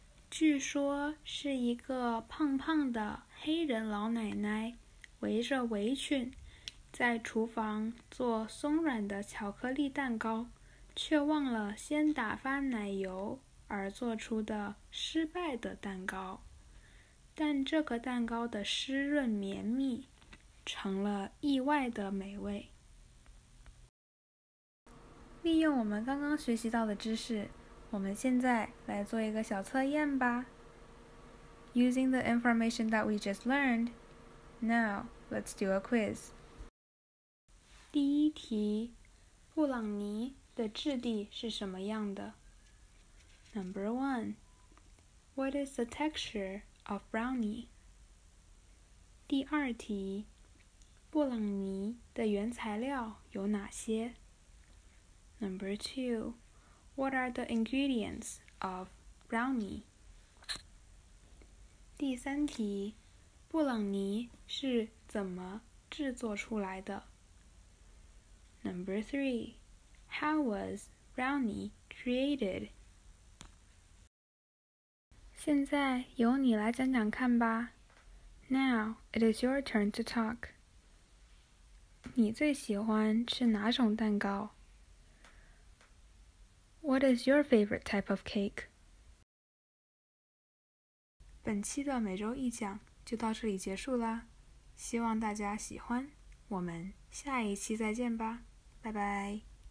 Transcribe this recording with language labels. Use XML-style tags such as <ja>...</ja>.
<zh>据说是一个胖胖的黑人老奶奶围着围裙在厨房做松软的巧克力蛋糕，却忘了先打发奶油而做出的失败的蛋糕。但这个蛋糕的湿润绵密成了意外的美味。利用我们刚刚学习到的知识，我们现在来做一个小测验吧。</zh> <en>Using the information that we just learned, now let's do a quiz.</en> <zh>第一题，布朗尼的质地是什么样的？</zh> <en>Number 1. What is the texture of brownie?</en> <zh>第二题，布朗尼的原材料有哪些？</zh> <en>Number 2. What are the ingredients of brownie?</en> <zh>第三题，布朗尼是怎么制作出来的？</zh> <en>Number 3. How was brownie created?</en> <zh>现在由你来讲讲看吧。</zh> <en>Now, it is your turn to talk.</en> <zh>你最喜欢吃哪种蛋糕？</zh> <en>What is your favorite type of cake?</en> <zh>本期的每周一讲就到这里结束啦。希望大家喜欢，我们下一期再见吧，拜拜。</zh>